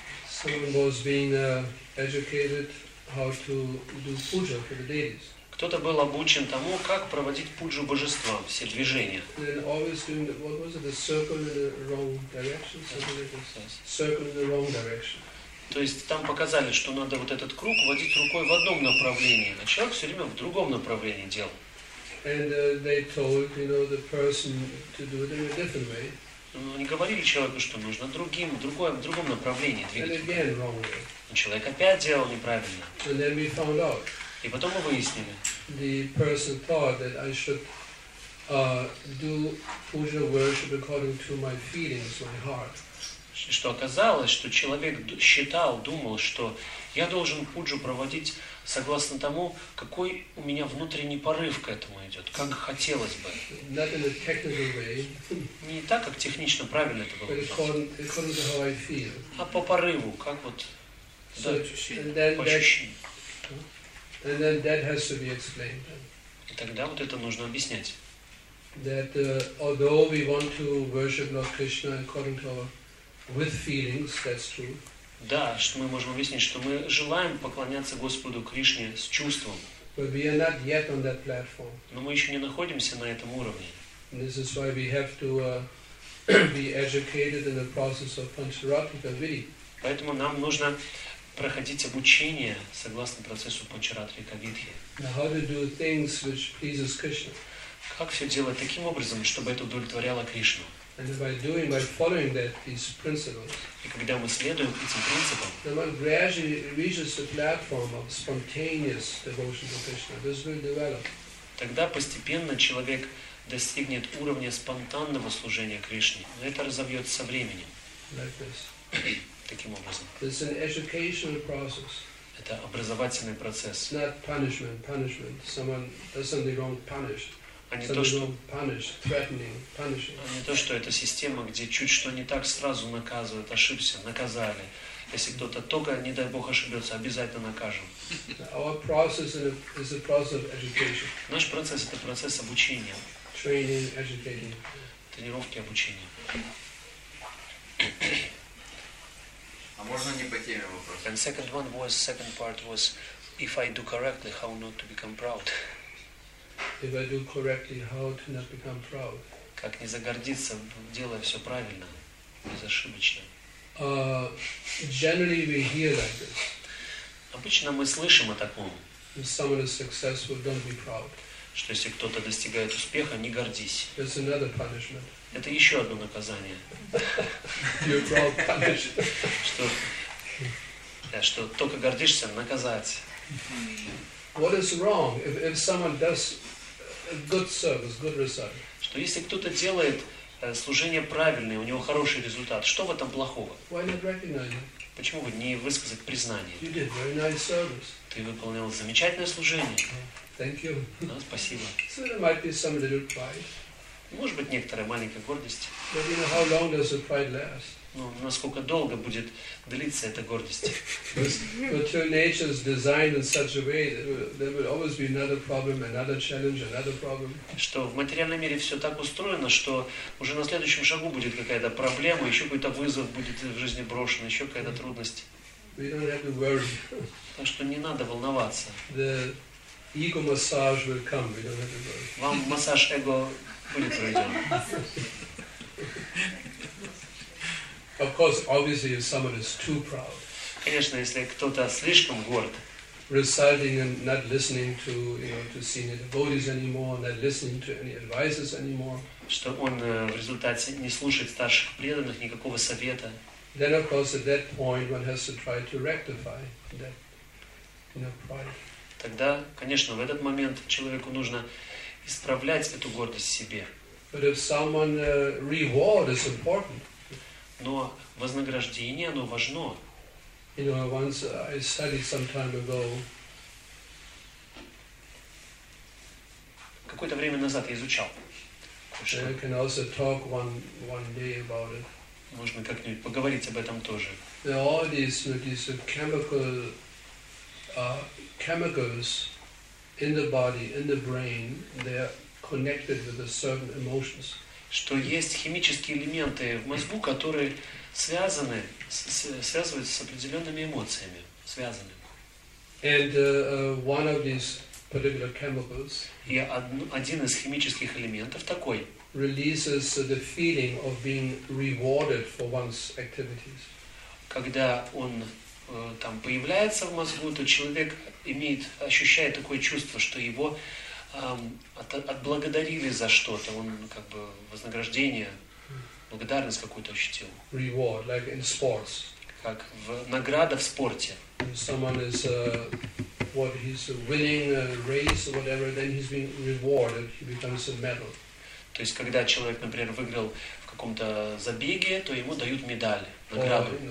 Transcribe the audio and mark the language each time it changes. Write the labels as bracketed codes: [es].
[en] Someone was being educated how to do puja for the deities. [ru] Кто-то был обучен тому, как проводить пуджу божествам, все движения. [en] Then always doing the, what was it, the circle in the wrong direction, something like this. Circle in the wrong direction. [ru] То есть там показали, что надо вот этот круг водить рукой в одном направлении, а человек все время в другом направлении делал. [en] And they told, you know, the person to do it in a different way. [ru] Но не говорили человеку, что нужно другое, в другом направлении двигаться. Человек опять делал неправильно. [en] And then we found out. [ru] И потом мы выяснили. [en] The person thought that I should do puja worship according to my feelings, my heart. [ru] Что оказалось, что человек считал, думал, что я должен пуджу проводить согласно тому, какой у меня внутренний порыв к этому идет, как хотелось бы. [en] Not in a technical way. [ru] Не так, как технично правильно это было. [en] But according to how I feel. [ru] А по порыву, как вот [en] so, [ru] да, по ощущениям. [en] And then that has to be explained. [ru] И тогда вот это нужно объяснять. [en] That although we want to worship Lord Krishna according to our with feelings, that's true. [ru] Да, что мы можем объяснить, что мы желаем поклоняться Господу Кришне с чувством. [en] But we are not yet on that platform. [ru] Но мы еще не находимся на этом уровне. [en] This is why we have to be educated in the process of Pancharatrika Vidhi. [ru] Поэтому нам нужно проходить обучение согласно процессу Pancharatrika Vidhi. [en] Now how to do things which pleases Krishna? [ru] Как все делать таким образом, чтобы это удовлетворяло Кришну? [en] And by doing, by following that these principles, [ru] и когда мы следуем этим принципам, [en] then one gradually reaches the platform of spontaneous devotion to Krishna. This will develop. [ru] Тогда постепенно человек достигнет уровня спонтанного служения Кришне. Но это разовьется со временем. [en] Like this. [ru] Таким образом. [en] It's an educational process. [ru] Это образовательный процесс. [en] Not punishment. Punishment. Someone does something wrong. Punished. [ru] А не то, что это система, где чуть что не так, сразу наказывают, ошибся, наказали. Если кто-то только, не дай Бог, ошибется, обязательно накажем. [en] Our process is a process of education. [ru] Наш процесс — это процесс обучения. [en] Training, educating. [ru] Тренировки, обучения. А можно не по теме вопрос? [en] And second part was, if I do correctly, how not to become proud? If I do correctly, how to not become proud? [ru] Как не загордиться, делая все правильно, безошибочно. [en] Generally, we hear like this. [ru] Обычно мы слышим о таком. [en] If someone is successful, don't be proud. [ru] Что если кто-то достигает успеха, не гордись. [en] That's another punishment. [ru] Это еще одно наказание. [en] You're proud punishment. [ru] Что только гордишься, наказать. [en] What is wrong if someone does good service, good result. [ru] Что если кто-то делает служение правильное, у него хороший результат, что в этом плохого? [en] Why not recognize it? [ru] Почему бы не высказать признание? [en] You did very nice service. [ru] Ты выполнил замечательное служение. [en] Thank you. [ru] Да, спасибо. [en] So there might be some little pride. [ru] Может быть, некоторая маленькая гордость. [en] But you know, how long does the pride last? [ru] Ну, насколько долго будет длиться эта гордость? [en] But your nature is designed in such a way that there will always be another problem, another challenge, another problem. [ru] Что в материальном мире все так устроено, что уже на следующем шагу будет какая-то проблема, еще какой-то вызов будет в жизни брошен, еще какая-то трудность. [en] We don't have to worry. [ru] Так что не надо волноваться. [en] The ego massage will come. We don't have to worry. [ru] Вам массаж эго будет пройден. [en] Of course, obviously, if someone is too proud. [ru] Конечно, если кто-то слишком горд, [en] reciting and not listening to, you know, to senior devotees anymore, not listening to any advices anymore, [ru] что он в результате не слушает старших преданных, никакого совета, [en] then of course at that point one has to try to rectify that, you know, pride. [ru] Тогда, конечно, в этот момент человеку нужно исправлять эту гордость в себе. [en] But if someone, reward is important. [ru] Но вознаграждение, оно важно. [en] You know, once I studied some time ago. [ru] Какое-то время назад я изучал. [en] Then I can also talk one day about it. [ru] Можно как-нибудь поговорить об этом тоже. [en] There are all these, you know, these chemical, chemicals in the body, in the brain, they're connected with a certain emotions. [ru] Что есть химические элементы в мозгу, которые связаны, связываются с определенными эмоциями, связаны. [en] And one of these particular chemicals. [ru] И один из химических элементов такой. [en] Releases the feeling of being rewarded for one's activities. [ru] Когда он там появляется в мозгу, то человек имеет, ощущает такое чувство, что его отблагодарили за что-то, он как бы вознаграждение, благодарность какую-то ощутил. [en] Reward, like in sports. [ru] Как в награда в спорте. [en] Someone is what he's winning a race or whatever, then he's being rewarded, he becomes a medal. [ru] То есть когда человек, например, выиграл в каком-то забеге, то ему дают медаль, награду.